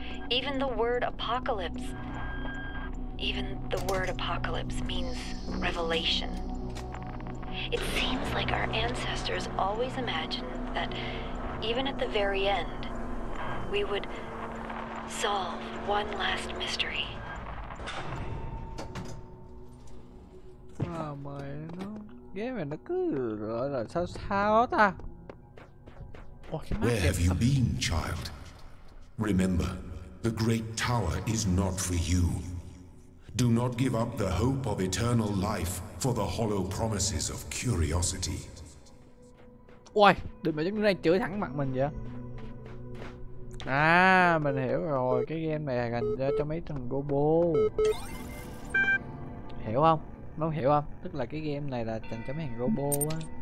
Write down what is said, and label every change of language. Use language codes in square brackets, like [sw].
[en] Even the word apocalypse. Even the word apocalypse means revelation. It seems like our ancestors always imagined that even at the very end, we would solve one last mystery. [vi] À, mày nó game này nó cứ gọi là sao sao ta. [en] Where have you been, child? Remember, the great tower is not for you. Do not give up the hope of eternal life for the hollow promises of curiosity. [vi] Ôi, đừng mà chúng này chửi thẳng mặt mình vậy. À, mình hiểu rồi, cái game này dành cho mấy thằng Gobo. Hiểu không? Mấy hiểu không? Tức là cái game này là dành cho mấy thằng Gobo á.